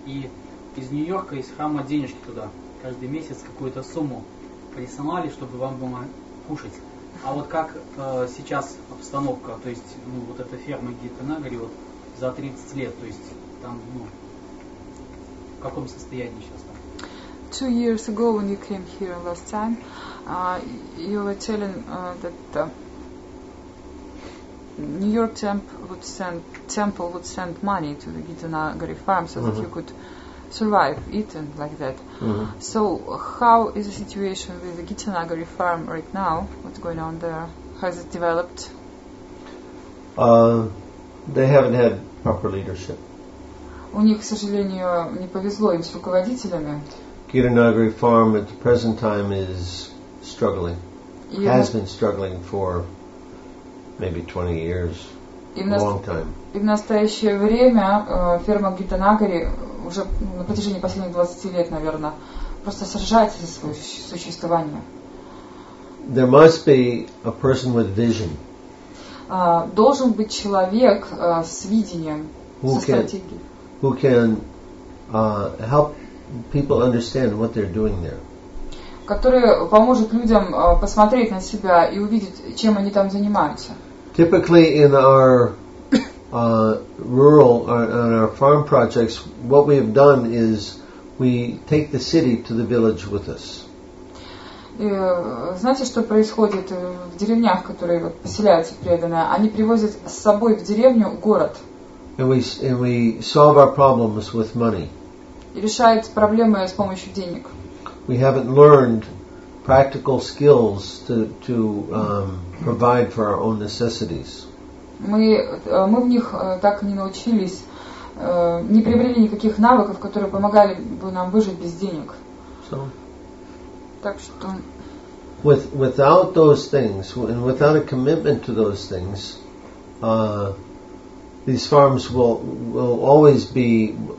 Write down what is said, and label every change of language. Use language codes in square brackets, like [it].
[ru] И из Нью-Йорка, из храма денежки туда каждый месяц какую-то сумму присылали, чтобы вам было кушать. А вот как сейчас обстановка, то есть ну, вот эта ферма Гитанагари вот, за 30 лет, то есть там ну, в каком состоянии сейчас? [en] 2 years ago, when you came here last time, you were telling that New York temple would send money to the Gitanagari farm so that you could survive eating like that. So how is the situation with the Gitanagari farm right now? What's going on there? Has it developed? They haven't had proper leadership. [ru] У них, к сожалению, не повезло им с руководителями. [en] Gitanagari farm at the present time is struggling. Has been struggling for maybe 20 years, long time. [ru] И в настоящее время ферма Гитанагари уже на протяжении последних 20 лет, наверное, просто сражается за свое существование. [en] There must be a person with vision. [ru] Должен быть человек с видением, со стратегией. [en] Who can help people understand what they're doing there. [ru] Который поможет людям посмотреть на себя и увидеть, чем они там занимаются. [en] Typically in our rural and our farm projects, what we have done is we take the city to the village with us. [ru] И, знаете, что происходит в деревнях, которые вот, поселяются преданные? Они привозят с собой в деревню город. [en] And we solve our problems with money. [ru] И решают проблемы с помощью денег. [en] We haven't learned practical skills to provide for our own necessities. [ru] Мы в них так и не научились, не приобрели никаких навыков, которые помогали бы нам выжить без денег. [en] So, [ru] так что... [en] Without those things, and without a commitment to those things, these farms will always be...